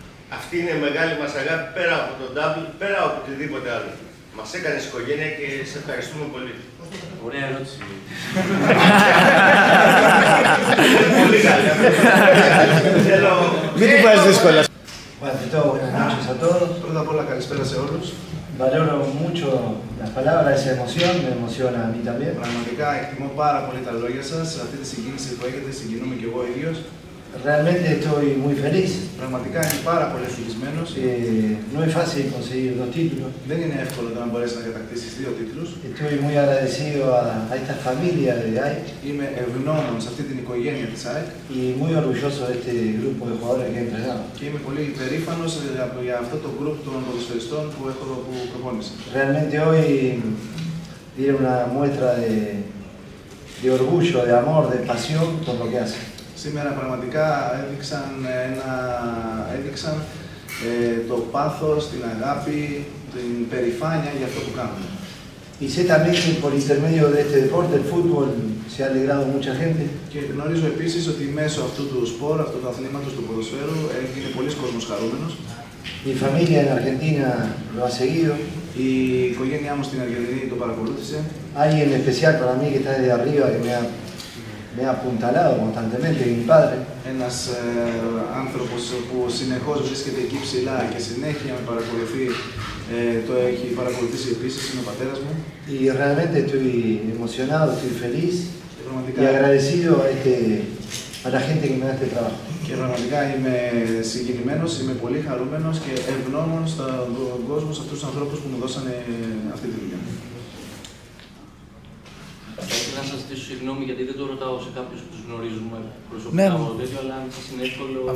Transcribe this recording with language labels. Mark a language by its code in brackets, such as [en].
[el] Αυτή είναι η μεγάλη μας αγάπη πέρα από τον Double, πέρα από οτιδήποτε άλλο. Μας έκανες οικογένεια και σε ευχαριστούμε πολύ. Ωραία ερώτηση. Πολύ καλή. Θέλω... Μην την πάρεις δύσκολα. Ευχαριστώ πολύ. Πρώτα απ' όλα καλησπέρα σε όλους. [es] Valoro mucho las palabras, esa emoción, me emociona a mí también. [el] Πραγματικά εκτιμώ πάρα πολύ τα λόγια σας, αυτή τη συγκίνηση που έχετε, συγκινούμε και εγώ ίδιος. [es] Realmente estoy muy feliz. [el] Πραγματικά είμαι πάρα πολύ ευτυχισμένος. [es] No es fácil conseguir dos títulos. [el] Δεν είναι εύκολο να μπορέσεις να κατακτήσεις δύο τίτλους. [es] Estoy muy agradecido a esta familia de AEK. [el] Είμαι ευγνώμων σε αυτή την οικογένεια της AEK. [es] Y muy orgulloso de este grupo de jugadores que he entrenado. [el] Και είμαι πολύ υπερήφανος για αυτό το γκρουπ των ποδοσφαιριστών που έχω εδώ που προπόνησα. [es] Realmente hoy dieron una muestra de orgullo, de amor, de pasión por lo que hace. [el] Σήμερα πραγματικά έδειξαν το πάθος, την αγάπη, την περηφάνεια για αυτό που κάνουν. Είσαι [es] también por intermedio de este deporte, el fútbol, se ha alegrado mucha gente. [el] Και γνωρίζω επίσης ότι μέσω αυτού του σπορ, αυτού του αθλήματος του ποδοσφαίρου, έγινε πολύς κόσμος χαρούμενος. Η [es] familia en Argentina lo ha seguido. [el] Η οικογένειά μου στην Αργεντινή το παρακολούθησε. [es] Hay en especial para mí que está desde arriba, que me ha apuntalado constantemente mi padre. [el] Ένας άνθρωπος που συνεχώς βρίσκεται εκεί ψηλά και συνέχεια με παρακολουθεί, το έχει παρακολουθήσει επίσης, είναι ο πατέρας μου. [es] Y realmente estoy emocionado, estoy feliz y agradecido a la gente que me da este trabajo. [el] Και πραγματικά είμαι συγκινημένος, είμαι πολύ χαρούμενος και ευγνώμων στον κόσμο, σε αυτούς τους ανθρώπους που μου δώσανε αυτή τη δουλειά. Να σας ζητήσω συγγνώμη γιατί δεν το ρωτάω σε κάποιους που τους γνωρίζουμε προσωπικά, ναι. Από το τέτοιο, αλλά αν σας είναι εύκολο...